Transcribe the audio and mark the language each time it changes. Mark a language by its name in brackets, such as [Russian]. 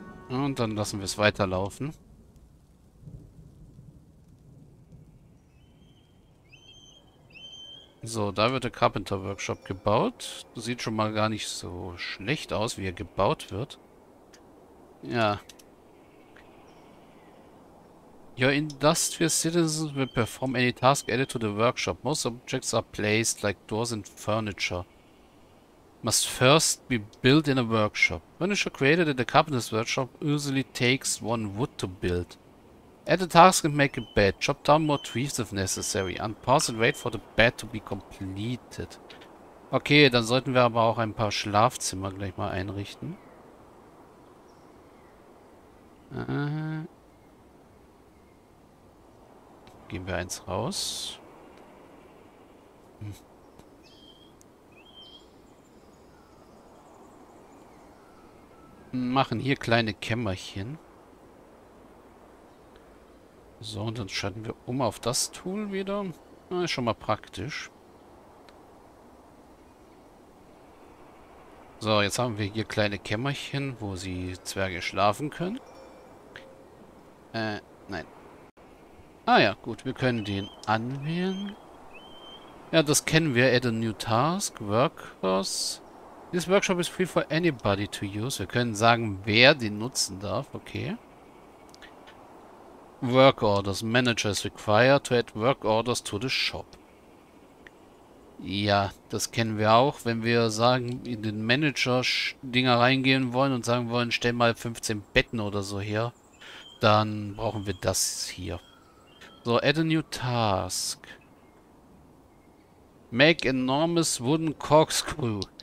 [German] Und dann lassen wir es weiterlaufen. So, da wird der Carpenter Workshop gebaut. Das sieht schon mal gar nicht so schlecht aus, wie er gebaut wird. Ja. [English] Your industrial citizens will perform any task added to the workshop. Most objects are placed like doors and furniture. Must first be built in a workshop. Furniture created in the carpenter's workshop usually takes one wood to build. Add a task and make a bed. Chop down more trees if necessary. Unpause and wait for the bed to be completed. [German] Okay, dann sollten wir aber auch ein paar Schlafzimmer gleich mal einrichten. Gehen wir eins raus. Machen hier kleine Kämmerchen. So, und dann schalten wir um auf das Tool wieder. Na, ist schon mal praktisch. So, jetzt haben wir hier kleine Kämmerchen, wo sie Zwerge schlafen können. Nein. Ah ja, gut, wir können den anwählen. Ja, das kennen wir. [English] Add a new task, workers. This workshop is free for anybody to use. [German] Wir können sagen, wer den nutzen darf. [English] Okay. Work orders. Manager is required to add work orders to the shop. [German] Ja, das kennen wir auch. Wenn wir sagen, in den Manager-Dinger reingehen wollen und sagen wollen, stell mal 15 Betten oder so her, dann brauchen wir das hier. [English] So, add a new task. Make enormous wooden corkscrew.